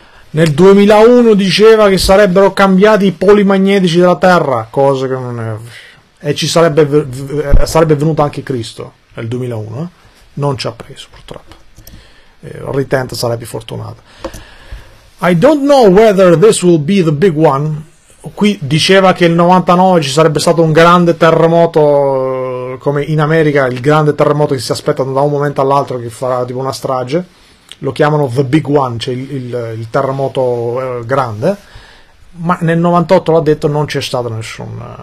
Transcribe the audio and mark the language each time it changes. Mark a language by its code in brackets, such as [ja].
[it] Nel 2001 diceva che sarebbero cambiati i poli magnetici della Terra, cosa che non è. E ci sarebbe venuto anche Cristo nel 2001, eh? Non ci ha preso, purtroppo. Ritenta sarebbe fortunato. [en] I don't know whether this will be the big one. [it] Qui diceva che nel 99 ci sarebbe stato un grande terremoto, come in America, il grande terremoto che si aspetta da un momento all'altro, che farà tipo una strage. Lo chiamano The Big One, cioè il terremoto grande, ma nel 98 l'ha detto, non c'è stato nessun.